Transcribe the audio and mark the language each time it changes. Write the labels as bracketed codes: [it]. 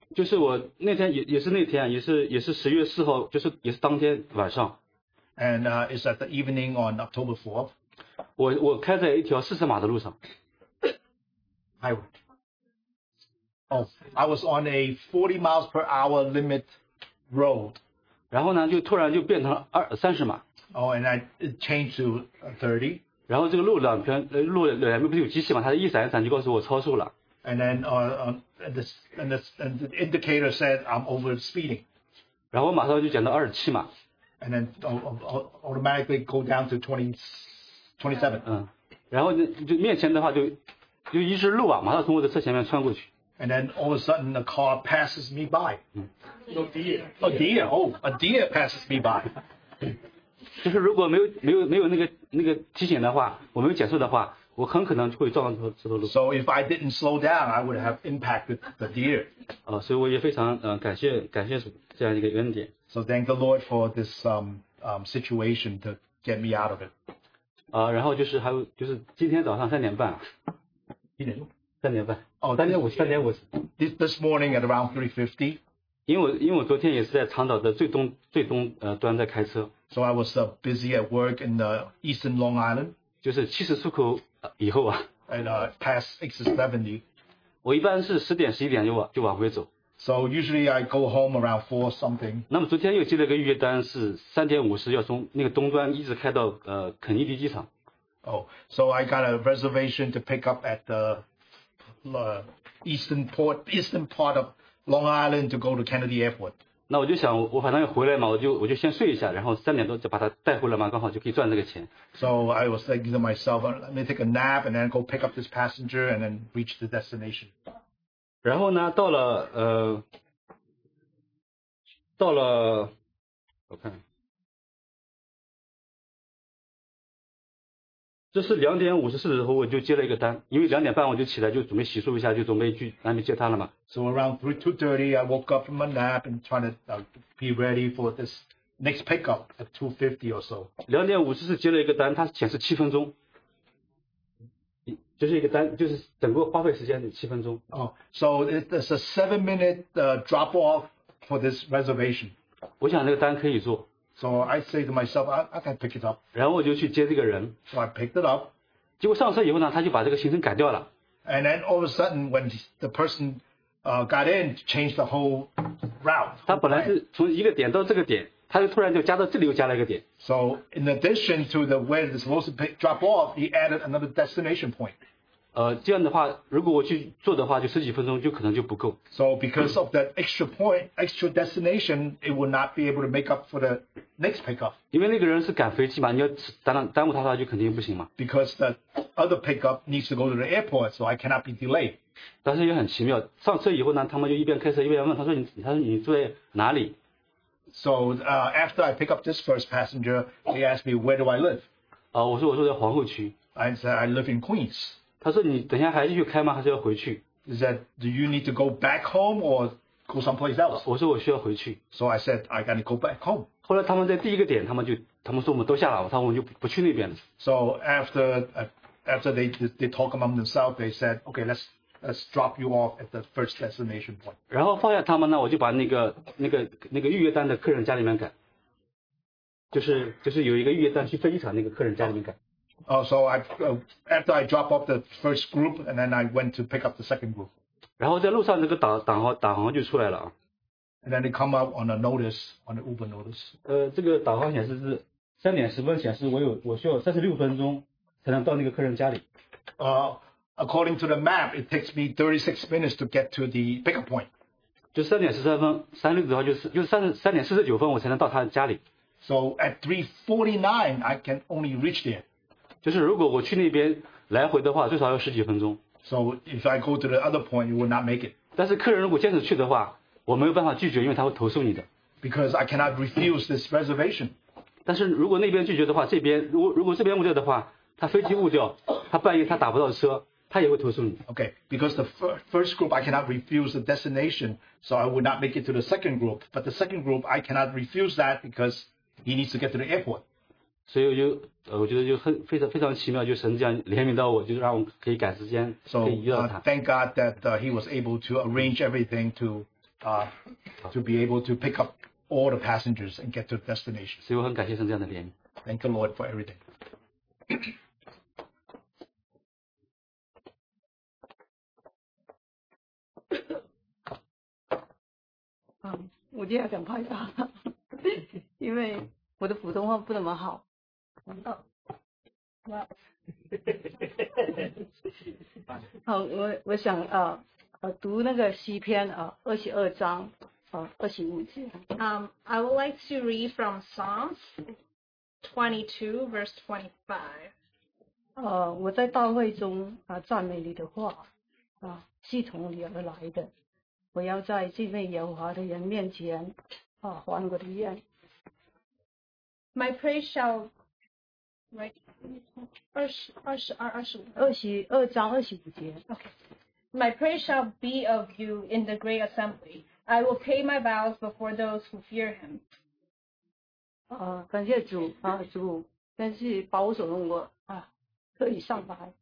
[zh] 就是我那天也是十月四号，就是也是当天晚上。 [en] And it's at the evening on October 4th. [zh] 我开在一条四十码的路上。 [en] Highway. I was on a 40 miles per hour limit road. [zh] 然后呢，就突然就变成三十码。 [en] And I changed to 30. [zh] 然后这个路两边不是有机器嘛？它一闪一闪就告诉我超速了。 [en] And then the indicator said I'm over speeding. [zh] 然后马上就减到27码。 [en] And then automatically go down to 27. [zh] 嗯，然后就面前的话就一直路啊，马上从我的车前面穿过去。 [en] And then all of a sudden the car passes me by. A deer passes me by. [zh] 就是如果没有那个提醒的话，我没有减速的话，我很可能会撞到这头鹿。 [en] So if I didn't slow down, I would have impacted the deer. [zh] 所以我也非常感谢这样一个恩典。 [en] So thank the Lord for this situation to get me out of it. [zh] 然后就是还有就是今天早上三点半。 3:30。 3:50。 [en] This morning at around 3:50. [zh] 因为我昨天也是在长岛的最东端在开车。 [en] So I was busy at work in the eastern Long Island. [zh] 就是七十出口以后啊。 [en] And past 6:70. [zh] 我一般是10:00-11:00就往回走。 [en] So usually I go home around 4 something. [zh] 那么昨天又接了个预约单，是3:50要从那个东端一直开到肯尼迪机场。 [en] So I got a reservation to pick up at the eastern part of Long Island to go to Kennedy Airport. [zh] 那我就想，我反正回来嘛，我就先睡一下，然后三点多就把它带回来嘛，刚好就可以赚这个钱。 [en] So I was thinking to myself, let me take a nap and then go pick up this passenger and then reach the destination. [zh] 然后呢，到了，我看，这是2:54的时候我就接了一个单，因为2:30我就起来就准备洗漱一下，就准备接他了嘛。 [en] So around 2:30, I woke up from my nap and trying to be ready for this next pickup at 2:50 or so. [zh] 2:54接了一个单，它显示7分钟，就是一个单，就是整个花费时间7分钟。 [en] So it's a 7-minute drop off for this reservation. [zh] 我想这个单可以做。 [en] So I say to myself, I can pick it up. [zh] 然后我就去接这个人。 [en] So I picked it up. [zh] 结果上车以后呢，他就把这个行程改掉了。 [en] And then all of a sudden, when the person got in, changed the whole route. [zh] 他本来是从一个点到这个点，他就突然就加到这里又加了一个点。 [en] So in addition to the where it's supposed to drop off, he added another destination point. [zh] 这样的话，如果我去做的话，就十几分钟就可能就不够。 [en] So because of that extra point, extra destination, it will not be able to make up for the next pickup. [zh] 因为那个人是赶飞机嘛，你要耽误他的话，就肯定不行嘛。 [en] Because the other pickup needs to go to the airport, so I cannot be delayed. [zh] 但是也很奇妙，上车以后呢，他们就一边开车一边问，他说你住在哪里？ [en] So after I pick up this first passenger, he asked me where do I live. [zh] 我说我住在皇后区。 [en] I said I live in Queens. [zh] 他说你等一下还继续开吗？还是要回去 [en] ？Is that do you need to go back home or go someplace else？ [zh] 我说我需要回去。 [en] So I said I gotta go back home。 [zh] 后来他们在第一个点，他们说我们都下了，他说我们就不去那边了。 [en] So after they talk among themselves, they said, okay, let's drop you off at the first destination point。 [zh] 然后放下他们呢，我就把那个预约单的客人家里面赶，就是有一个预约单去飞机场那个客人家里面赶。 [en] After I drop off the first group, and then I went to pick up the second group. [zh] 然后在路上那个导航就出来了啊。 [en] And then they come up on a notice, on the Uber notice. [zh] 这个导航显示是3:10显示我需要36分钟才能到那个客人家里。 [en] According to the map, it takes me 36 minutes to get to the pickup point. [zh] 就三点十三分，三六的话就是三点四十九分，我才能到他家里。 [en] So at 3:49, I can only reach there. [zh] 就是如果我去那边来回的话，最少要十几分钟。 [en] So if I go to the other point, you will not make it. [zh] 但是客人如果坚持去的话，我没有办法拒绝，因为他会投诉你的。 [en] Because I cannot refuse this reservation. [zh] 但是如果那边拒绝的话，这边如果这边误掉的话，他飞机误掉，他半夜他打不到车。他也会投诉你。 [en] Okay, because the first group I cannot refuse the destination, so I would not make it to the second group. But the second group I cannot refuse that because he needs to get to the airport. [zh] 所以就我觉得就很非常奇妙，就神这样怜悯到我，就是让我可以赶时间， [en] so, [zh] 可以遇到他。 [en] Thank God that he was able to arrange everything to be able to pick up all the passengers and get to the destination. [zh] 所以我很感谢神这样的怜悯。 [en] Thank the Lord for everything. [zh] Um, 我今天想拍照，因为我的普通话不怎么好。好，我想啊，读那个诗篇啊，二十二章啊，二十五节。 [en] I would like to read from Psalms 22:25。 [zh] 我在大会中啊，赞美你的话啊，是从你而来的。我要在敬畏耶和华的人面前啊，还我的愿。 [en] My praise shall right 22:25. Okay. My praise shall be of you in the great assembly. I will pay my vows before those who fear him. [zh] 啊，感谢主啊，主真是保守了我啊，可以上台。